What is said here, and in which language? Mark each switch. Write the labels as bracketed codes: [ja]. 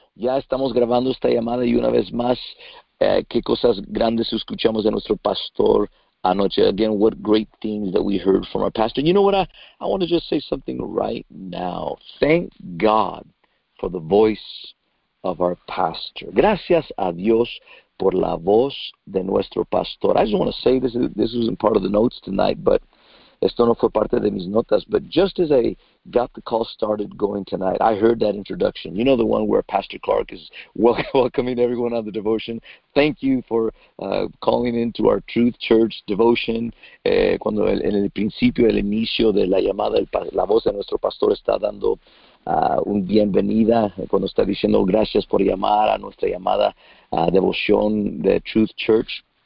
[es] Ya estamos grabando esta llamada y una vez más, qué cosas grandes escuchamos de nuestro pastor anoche. [en] Again, what great things that we heard from our pastor. You know what? I want to just say something right now. Thank God for the voice of our pastor. [es] Gracias a Dios por la voz de nuestro pastor. [en] I just want to say this isn't part of the notes tonight, but [es] esto no fue parte de mis notas, [en] but just as I got the call started going tonight, I heard that introduction. You know, the one where Pastor Clark is welcoming everyone on the devotion. Thank you for calling into our Truth Church devotion. [es] Cuando en el principio, el inicio de la llamada, la voz de nuestro pastor está dando un bienvenida, cuando está diciendo gracias por llamar a nuestra llamada devoción de Truth Church.